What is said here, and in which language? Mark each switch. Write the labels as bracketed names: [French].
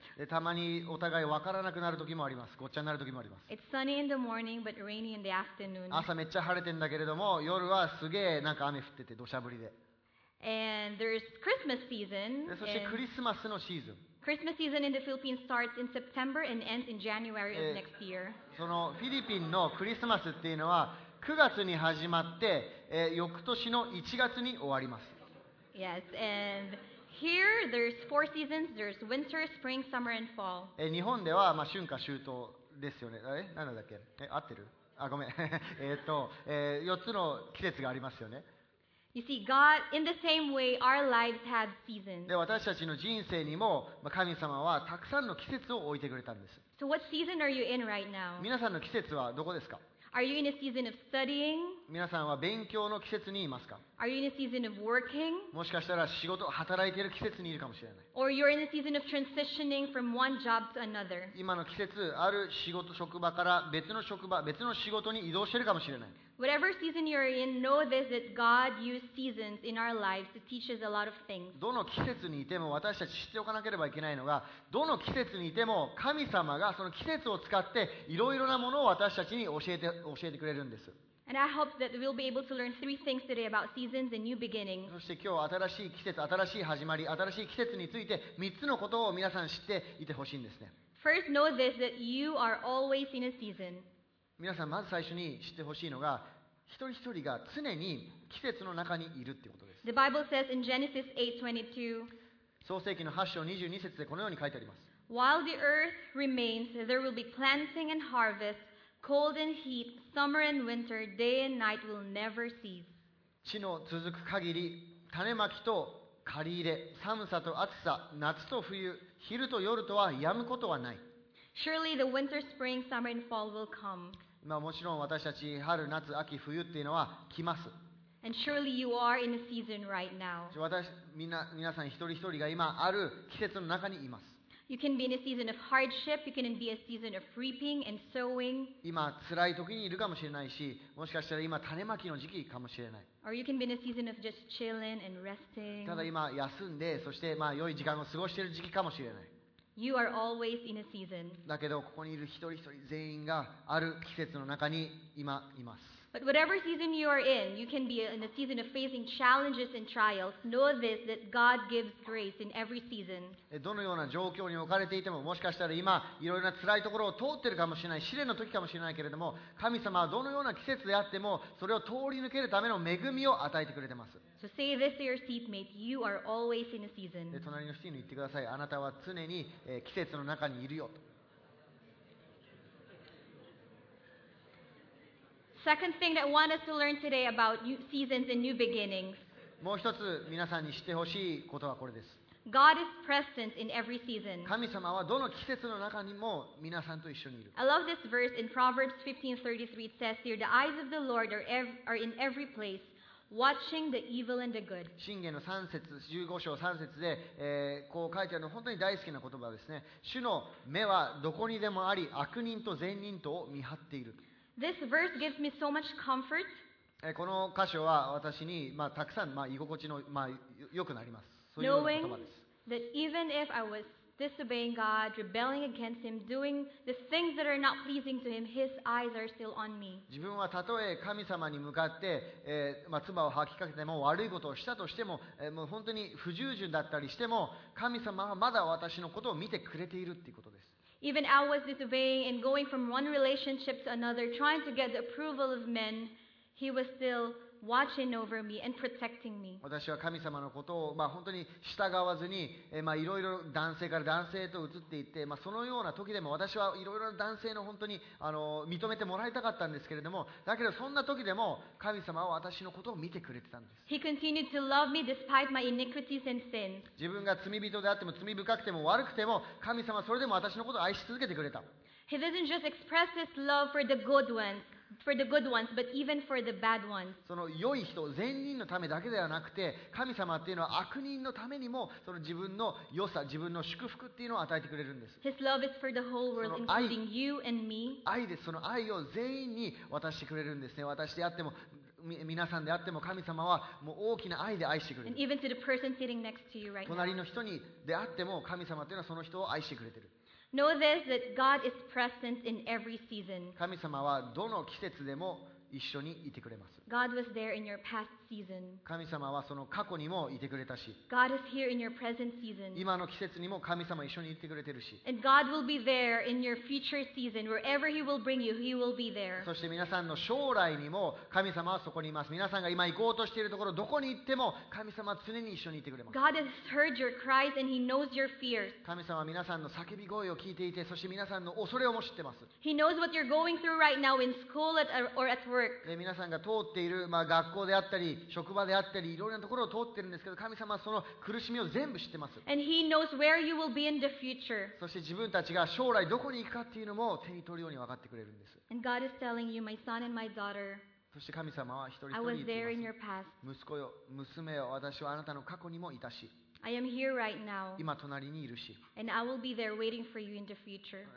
[Japanese] でたまにお互い分からなくなる時もあります。ごっちゃになる時もあります。 [English] It's sunny in the morning, but rainy in the afternoon. [Japanese] 朝めっちゃ晴れてんだけれども、夜はすげえなんか雨降ってて土砂降りで。 [English] And there's Christmas season. [Japanese] そしてクリスマスのシーズン。 [English] Christmas season in the Philippines starts in September and ends in January of next year. [Japanese] そのフィリピンのクリスマスっていうのは9月に始まって、翌年の1月に終わります。 [English] Yes, and here there's four seasons. There's winter, spring, summer, and fall. [Japanese] 日本では、まあ、春夏秋冬ですよね。え、なんだっけ？え、合ってる？あ、ごめん。 4つの季節がありますよね。 [English] You see, God, in the same way, our lives have seasons. [Japanese] で、私たちの人生にも、まあ、神様はたくさんの季節を置いてくれたんです。 [English] So what season are you in right now? [Japanese] 皆さんの季節はどこですか？ [English] Are you in a season of studying? [Japanese] 皆さんは勉強の季節にいますか？ [English] Are you in a season of working? [Japanese] もしかしたら仕事、働いている季節にいるかもしれない。 [English] Or you're in a season of transitioning from one job to another. [Japanese] 今の季節、ある仕事、職場から別の職場、別の仕事に移動しているかもしれない。 [English] Whatever season you're in, know this, that God used seasons in our lives to teach us a lot of things. [Japanese] どの季節にいても私たち知っておかなければいけないのが、どの季節にいても神様がその季節を使っていろいろなものを私たちに教えてくれるんです。 [English] And I hope that we'll be able to learn three things today about seasons and new beginnings. [Japanese] そして今日新しい季節、新しい始まり、新しい季節について3つのことを皆さん知っていてほしいんですね。 [English] First, know this, that you are always in a season. [Japanese] 皆さんまず最初に知ってほしいのが一人一人が常に季節の中にいるということです。 [English] The Bible says in Genesis 8:22, [Japanese] 創世記の8章22節でこのように書いてあります。 [English] While the earth remains, there will be planting and harvest, cold and heat, summer and winter, day and night will never cease. [Japanese] 地の続く限り、種まきと刈り入れ、寒さと暑さ、夏と冬、昼と夜とは止むことはない。 [English] Surely the winter, spring, summer, and fall will come. [Japanese] まあもちろん私たち春、夏、秋、冬っていうのは来ます。 [English] And surely you are in a season right now. [Japanese] 皆さん一人一人が今ある季節の中にいます。 [English] You can be in a season of hardship. You can be a season of reaping and sowing. [Japanese] 今辛い時にいるかもしれないし、もしかしたら今種まきの時期かもしれない。 [English] Or you can be in a season of just chilling and resting. [Japanese] ただ今休んで、そしてまあ良い時間を過ごしている時期かもしれない。 [English] You are always in a season. [Japanese] だけどここにいる一人一人全員がある季節の中に今います。 [English] But whatever season you are in, you can be in a season of facing challenges and trials. Know this, that God gives grace in every season. [Japanese] どのような状況に置かれていても、もしかしたら今いろいろな辛いところを通ってるかもしれない、試練の時かもしれないけれども、神様はどのような季節であっても、それを通り抜けるための恵みを与えてくれてます。 [English] So say this to your seatmate, you are always in a season. [Japanese] 隣の人に言ってください。あなたは常に季節の中にいるよと。 [English] Second thing that I want us to learn today about seasons and new beginnings. [Japanese] もう一つ皆さんに知ってほしいことはこれです。 [English] God is present in every season. [Japanese] 神様はどの季節の中にも皆さんと一緒にいる。 [English] I love this verse in Proverbs 15:33. It says here, "The eyes of the Lord are in every place." Watching the evil and the good. [Japanese] 箴言の3節、15章3節で、こう書いてあるの本当に大好きな言葉ですね。主の目はどこにでもあり、悪人と善人とを見張っている。 [English] This verse gives me so much comfort. [Japanese] この箇所は私に、まあ、たくさん、まあ、居心地の、まあ、よくなります。そういうような言葉です。 [English] Knowing that even if I was disobeying God, rebelling against Him, doing the things that are not pleasing to Him, His eyes are still on me. [Japanese] 自分はたとえ神様に向かって、まあ、唾を吐きかけても悪いことをしたとしても、もう本当に不従順だったりしても、神様はまだ私のことを見てくれているということです。 [English] Even I was disobeying and going from one relationship to another, trying to get the approval of men, He was still watching over me and protecting me. [Japanese] 私は神様のことを、まあ、本当に従わずに、まあ、いろいろ男性から男性へと移っていって、まあ、そのような時でも私はいろいろ男性の本当に認めてもらいたかったんですけれども、だけどそんな時でも神様は私のことを見てくれてたんです。 [English] He continued to love me despite my iniquities and sins. [Japanese] 自分が罪人であっても罪深くても悪くても神様はそれでも私のことを愛し続けてくれた。 [English] He doesn't just express His love for the good ones. For the good ones, but even for the bad ones. [Japanese] その良い人、善人のためだけではなくて、神様っていうのは悪人のためにもその自分の良さ、自分の祝福っていうのを与えてくれるんです。 [English] His love is for the whole world, including you and me. [Japanese] 愛です。その愛を全員に渡してくれるんですね。私であっても、皆さんであっても、神様はもう大きな愛で愛してくれる。 [English] And even to the person sitting next to you right now. [Japanese] 隣の人にであっても、神様っていうのはその人を愛してくれてる。 [English] Know this, that God is present in every season. [Japanese] 神様はどの季節でも一緒にいてくれます。 [English] God was there in your past season. [Japanese] 神様はその過去にもいてくれたし、 [English] God is here in your present season. [Japanese] 今の季節にも神様一緒にいてくれてるし、 [English] And God will be there in your future season. Wherever He will bring you, He will be there. [Japanese] そして皆さんの将来にも神様はそこにいます。皆さんが今行こうとしているところ、どこに行っても神様は常に一緒にいてくれます。 [English] God has heard your cries and He knows your fears. [Japanese] 神様は皆さんの叫び声を聞いていて、そして皆さんの恐れをも知ってます。 [English] He knows what you're going through right now in school or at work. [Japanese] 皆さんが通っている、まあ、学校であったり職場であったり、いろいろなところを通っているんですけど、神様はその苦しみを全部知ってます。 [English] And He knows where you will be in the future. [Japanese] そして自分たちが将来どこに行くかっていうのも手に取るように分かってくれるんです。 [English] And God is telling you, my son and my daughter, [Japanese] そして神様は一人一人言っています。息子よ、娘よ、私はあなたの過去にもいたし、 [English] I am here right now. [Japanese] 今隣にいるし、 [English] And I will be there waiting for you in the future.